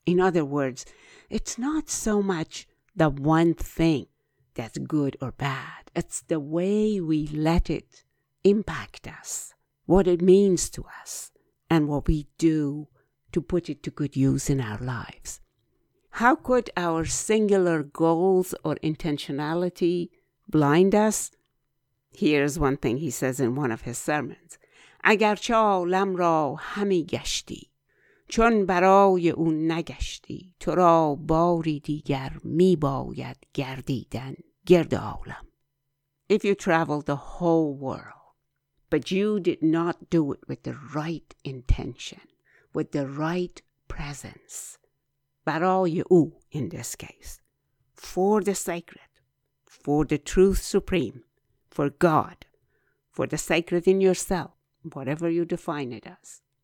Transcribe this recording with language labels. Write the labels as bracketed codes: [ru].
[en] In other words, it's not so much the one thing that's good or bad. It's the way we let it impact us, what it means to us, and what we do to put it to good use in our lives. How could our singular goals or intentionality blind us? Here's one thing he says in one of his sermons. [fa] اگر چالم را همی گشتی چون برای اون نگشتی تو را باری دیگر می باید گردیدن گرد عالم. [en] If you travel the whole world, but you did not do it with the right intention, with the right presence, [fa] برای او, [en] in this case, for the sacred, for the truth supreme, for God, for the sacred in yourself, whatever you define it as.